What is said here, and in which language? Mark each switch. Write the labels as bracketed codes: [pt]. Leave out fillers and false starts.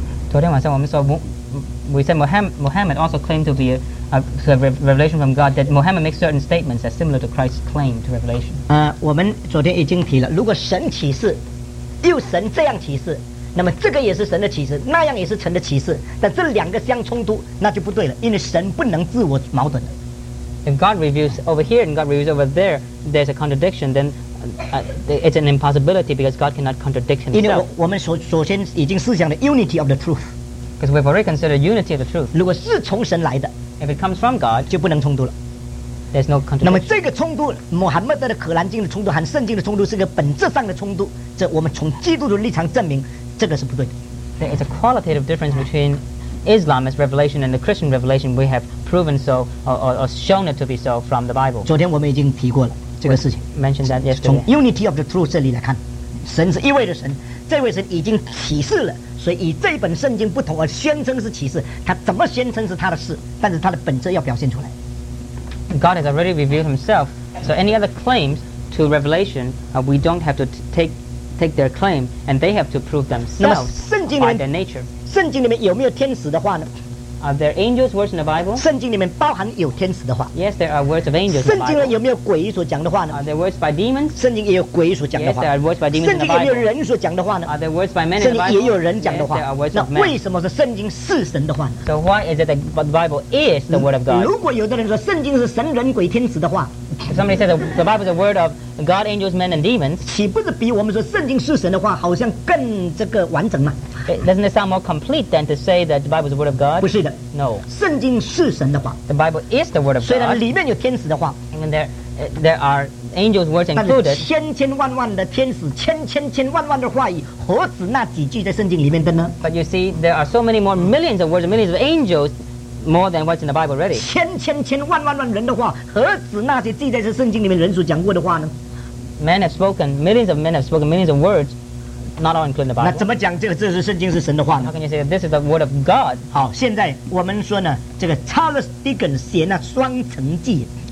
[zh] 昨天晚上我们说 [en] ，we said Muhammad also claimed to be a revelation from God. That Muhammad makes certain statements that are similar to Christ's claim to revelation. [zh] 我们昨天已经提了，如果神启示，又神这样启示。那么这个也是神的启示，那样也是神的启示，但这两个相冲突，那就不对了，因为神不能自我矛盾的。 [en] If God reveals over here and God reveals over there, there's a contradiction. Then it's an impossibility because God cannot contradict himself. [zh] 因为我们首先已经思想了 [en] unity of the truth. Because we've already considered unity of the truth. [zh] 如果是从神来的 [en] ，if it comes from God, [zh] 就不能冲突了。 [en] There's no contradiction. [zh] 那么这个冲突，穆罕默德的《可兰经》的冲突和圣经的冲突是个本质上的冲突，这我们从基督的立场证明。这个是不对的。 [en] There is a qualitative difference between Islamist revelation and the Christian revelation. We have proven so, or shown it to be so from the Bible. [zh] 昨天我们已经提过了这个事情。 [en] Mentioned that yesterday. [zh] 从 [en] unity of the truth [zh] 这里来看，神是一位的神，这位神已经启示了，所以以这本圣经不同而宣称是启示。他怎么宣称是他的事，但是他的本质要表现出来。 [en] God has already revealed Himself, so any other claims to revelation, we don't have to take. take their claim, and they have to prove themselves by their nature. [zh] 圣经里面有没有天使的话呢？ [en] Are there angels' words in the Bible? [zh] 圣经里面包含有天使的话。 [en] Yes, there are words of angels. [zh] 圣经里面有没有鬼所讲的话呢？ [en] Are there words by demons? [zh] 圣经也有鬼所讲的话。 [en] Yes, there are words by demons. [zh] 圣经有没有人所讲的话呢？ [en] Are there words by men in the Bible? [zh] 圣经也有人讲的话。 [en] Yes, there are words of men. [zh] 那为什么是圣经是神的话呢？ [en] So why is it that the Bible is the word of God? [zh] 如果有的人说圣经是神、人、鬼、天使的话， [en] somebody said the Bible is the word of God, angels, men, and demons. [zh] 岂不是比我们说圣经是神的话好像更这个完整吗？ [en] Doesn't it sound more complete than to say that the Bible is the word of God? [zh] 不是的。 [en] No. [zh] 圣经是神的话。 [en] The Bible is the word of God. [zh] 虽然里面有天使的话。 [en] And there are angels' words included. [zh] 但是千千万万的天使，千千千万万的话语，何止那几句在圣经里面的呢？ [en] But you see, there are so many more millions of words, millions of angels, more than what's in the Bible already. [zh] 千千千万万万人的话，何止那些记载在圣经里面人所讲过的话呢？ [en] Men have spoken, millions of men have spoken millions of words. Not all included in the Bible. [zh] 那怎么讲这个？这是圣经是神的话呢？ [en] How can you say that this is the word of God? [zh] 好，现在我们说呢，这个 Charles Dickens 写那《双城记》。